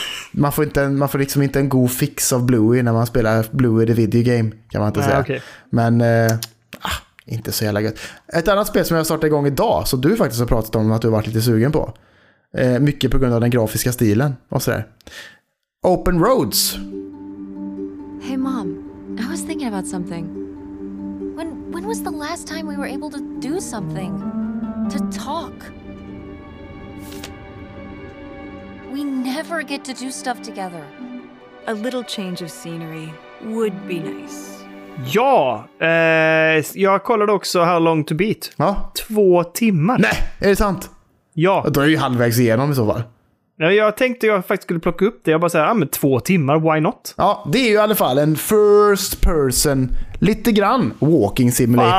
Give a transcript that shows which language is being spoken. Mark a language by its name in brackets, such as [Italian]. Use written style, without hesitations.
[Swedish] Man får liksom inte en god fix av Bluey när man spelar Bluey the Video Game, kan man inte säga. [English] Okay. [Swedish] Men inte så jävla gött. Ett annat spel som jag startade igång idag, så du faktiskt har pratat om att du har varit lite sugen på. Mycket på grund av den grafiska stilen och sådär. Open Roads. [English] Hey mom, I was thinking about something. When was the last time we were able to do something? To talk? We never get to do stuff together. A little change of scenery would be nice. [Swedish] Ja! Jag kollade också How Long to Beat. Ja. 2 timmar. Nej, är det sant? Ja. Då är ju halvvägs igenom i så fall. Nej, jag tänkte jag faktiskt skulle plocka upp det. Jag bara säger, men 2 timmar, [English] why not? [Swedish] Ja, det är ju i alla fall en first person, lite grann walking simulator.